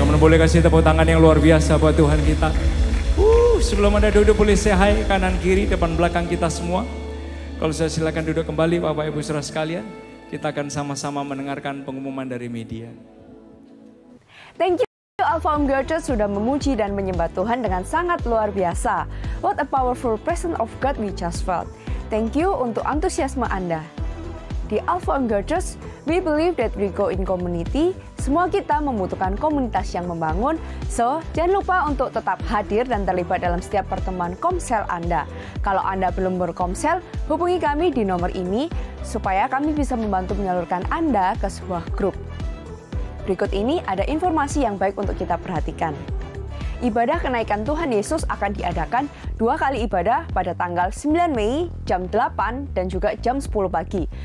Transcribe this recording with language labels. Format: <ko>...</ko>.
<id>Kamu boleh kasih tepuk tangan yang luar biasa buat Tuhan kita. Sebelum Anda duduk, boleh</id> <en>say hi</en> <id>kanan kiri, depan belakang kita semua. Kalau saya silakan duduk kembali, Bapak Ibu saudara sekalian. Kita akan sama-sama mendengarkan pengumuman dari media.</id> <en>Thank you</en> <id>Alfam Gerce sudah memuji dan menyembah Tuhan dengan sangat luar biasa.</id> <en>What a powerful presence of God we just felt. Thank you</en> <id>untuk antusiasme Anda.</id> <en>Di Alpha and Gertrude, we believe that we go in community.</en> <id>Semua kita membutuhkan komunitas yang membangun. So, jangan lupa untuk tetap hadir dan terlibat dalam setiap pertemuan komsel Anda. Kalau Anda belum berkomsel, hubungi kami di nomor ini supaya kami bisa membantu menyalurkan Anda ke sebuah grup. Berikut ini ada informasi yang baik untuk kita perhatikan. Ibadah kenaikan Tuhan Yesus akan diadakan 2 kali ibadah pada tanggal 9 Mei jam 8 dan juga jam 10 pagi.</id>